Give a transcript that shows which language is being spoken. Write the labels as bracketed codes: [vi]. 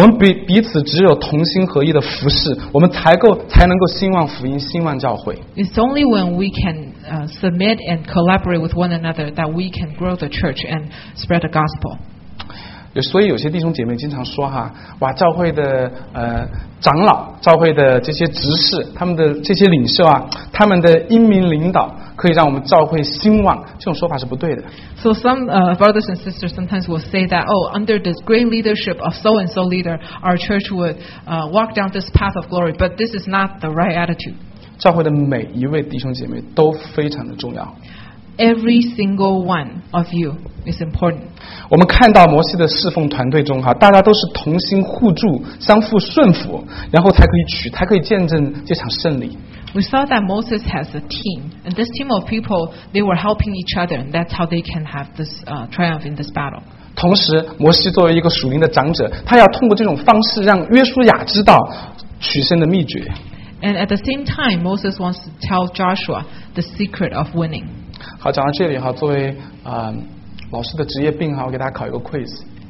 [zh] 我们彼此只有同心合意的服侍，我们才能够兴旺福音，兴旺教会。 [en] It's only when we can submit and collaborate with one another that we can grow the church and spread the gospel. [zh] 所以有些弟兄姐妹经常说哇，教会的长老，教会的这些执事，他们的这些领袖他们的英明领导可以让我们教会兴旺，这种说法是不对的。 [en] So some brothers and sisters sometimes will say that under this great leadership of so and so leader our church would walk down this path of glory, but this is not the right attitude. [zh] 教会的每一位弟兄姐妹都非常的重要。 [en] Every single one of you is important. [zh] 我们看到摩西的侍奉团队中大家都是同心互助，相互顺服，然后才可以见证这场胜利。 [en] We saw that Moses has a team, and this team of people, they were helping each other, and that's how they can have this triumph in this battle. [zh] 同时，摩西作为一个属灵的长者，他要通过这种方式让约书亚知道取胜的秘诀。 [en] And at the same time, Moses wants to tell Joshua the secret of winning. [zh] 好，讲到这里哈，作为老师的职业病哈，我给大家考一个 quiz。